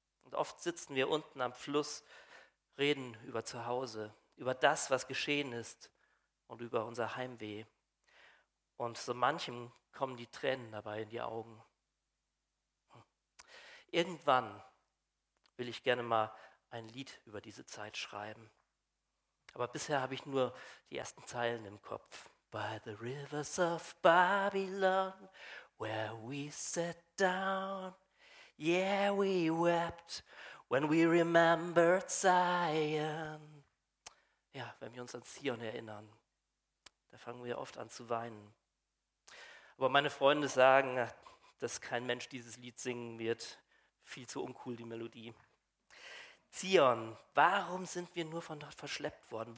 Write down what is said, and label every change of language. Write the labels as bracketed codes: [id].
[de] Und oft sitzen wir unten am Fluss, reden über zu Hause, über das, was geschehen ist und über unser Heimweh. Und so manchem kommen die Tränen dabei in die Augen. Irgendwann will ich gerne mal ein Lied über diese Zeit schreiben. Aber bisher habe ich nur die ersten Zeilen im Kopf. [en] By the rivers of Babylon, where we sat down. Yeah, we wept when we remembered Zion. [de] Ja, wenn wir uns an Zion erinnern, da fangen wir oft an zu weinen. Aber meine Freunde sagen, dass kein Mensch dieses Lied singen wird. Viel zu uncool, die Melodie. Zion, warum sind wir nur von dort verschleppt worden?